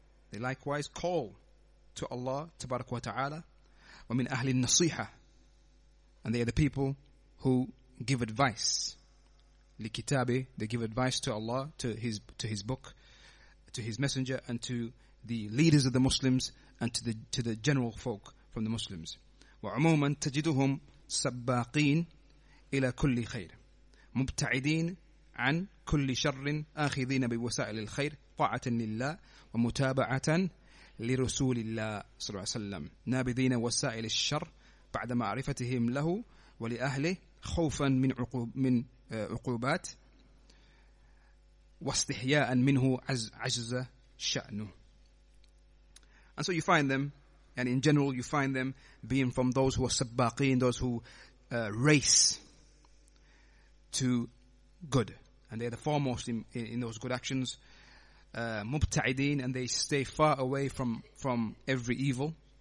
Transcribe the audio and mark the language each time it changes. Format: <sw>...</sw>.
<en>They likewise call to Allah, tabarak wa ta'ala,</en> <ar>wa min Ahl al-Nasiha.</ar> <en>And they are the people who give advice.</en> <ar>لكتابه,</ar> <en>they give advice to Allah, to his book, to his messenger, and to the leaders of the Muslims, and to the general folk from the Muslims.</en> <ar>وعموما تجدهم سباقين إلى كل خير مبتعدين عن كل شر آخذين بوسائل الخير طاعة لله ومتابعة لرسول الله صلى الله عليه وسلم نابذين وسائل الشر بعد معرفتهم له ولأهله خوفا من عقوب من عقوبات واستحياء منه عجز شأنه.</ar> <en>And so you find them, and in general you find them being from those who are sabaqeen, those who race to good and they're the foremost in those good actions. Mubta'ideen, and they stay far away from every evil.</en>